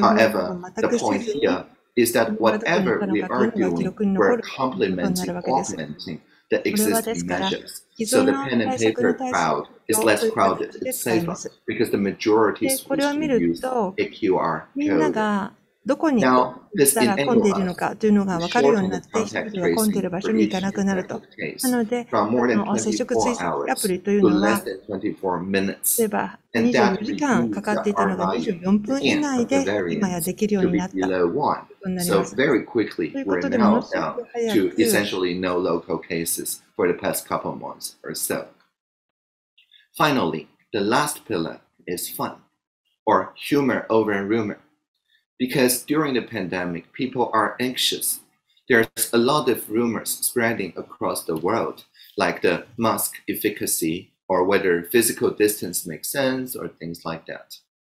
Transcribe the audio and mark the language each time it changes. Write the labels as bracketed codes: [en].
[en] However, the point here is that whatever we are doing, we're complementing, augmenting the existing measures. So the pen and paper crowd is less crowded, it's safer, because the majority is supposed to use a QR code. [ja] どこに人が混んでいるのかというのが分かるようになって、人々が混んでいる場所に行かなくなると。なので、この接触追跡アプリというのは、例えば24時間かかっていたのが24分以内で今やできるようになった。そんなにということで、ものすごく早く [en] essentially no local cases for the past couple months or so. Finally, the last pillar is fun, or humor over rumor. Because during the pandemic, people are anxious. There's a lot of rumors spreading across the world, like the mask efficacy, or whether physical distance makes sense, or things like that.